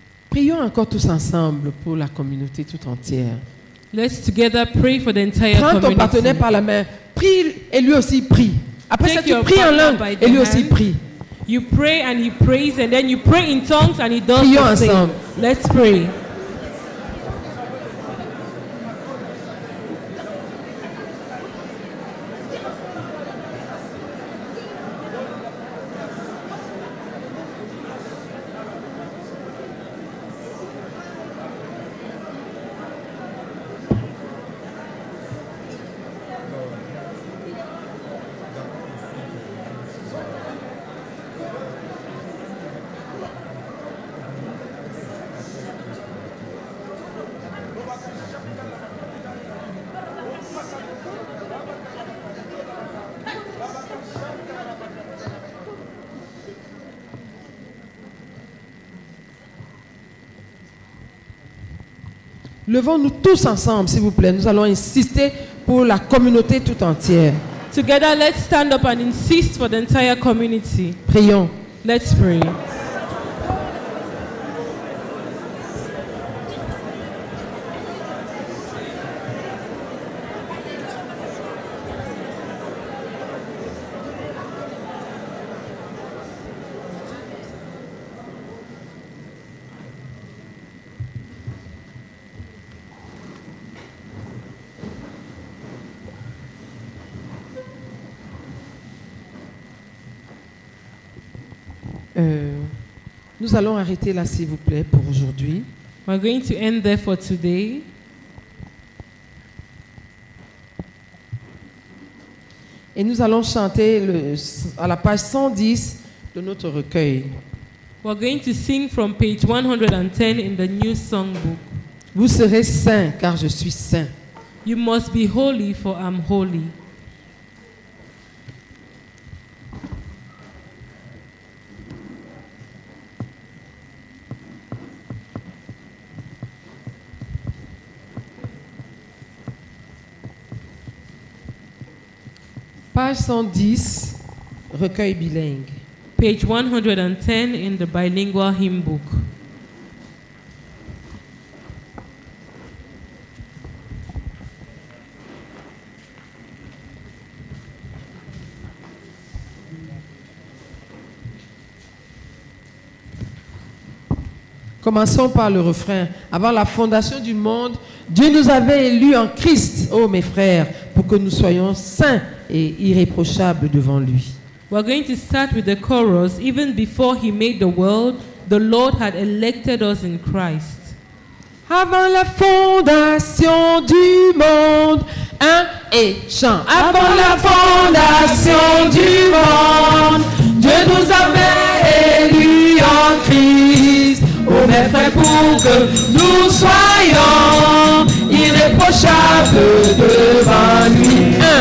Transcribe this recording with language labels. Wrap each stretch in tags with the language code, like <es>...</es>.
<fr>Prions encore tous ensemble pour la communauté toute entière.</fr> <en>Let's together pray for the entire</en> <fr>Prends</fr> <en>community.</en> <fr>Prends ton partenaire par la main. Prie et lui aussi prie. Après</fr> <en>Take</en> <fr>ça, tu pries en langue et lui aussi prie.</fr> <en>You pray and he prays and then you pray in tongues and he does</en> <fr>Prions ensemble.</fr> <en>Let's pray.</en> <fr>Levons-nous tous ensemble, s'il vous plaît. Nous allons insister pour la communauté tout entière.</fr> <en>Together, let's stand up and insist for the entire community.</en> <fr>Prions.</fr> <en>Let's pray.</en> <fr>Nous allons arrêter là, s'il vous plaît, pour aujourd'hui.</fr> <en>We're going to end there for today.</en> <fr>Et nous allons chanter à la page 110 de notre recueil.</fr> <en>We're going to sing from page 110 in the new songbook.</en> <fr>Vous serez saints, car je suis saint.</fr> <en>You must be holy, for I'm holy.</en> <fr>Page 110, recueil bilingue.</fr> <en>Page 110 in the bilingual hymn book.</en> <fr>Commençons par le refrain. Avant la fondation du monde, Dieu nous avait élus en Christ, oh mes frères, pour que nous soyons saints et irréprochables devant lui.</fr> <en>We're going to start with the chorus. Even before he made the world, the Lord had elected us in Christ.</en> <fr>Avant la fondation du monde, un et chant. Avant la fondation du monde, Dieu nous avait élus en Christ. Oh, est fait pour que nous soyons irréprochables devant lui.</fr>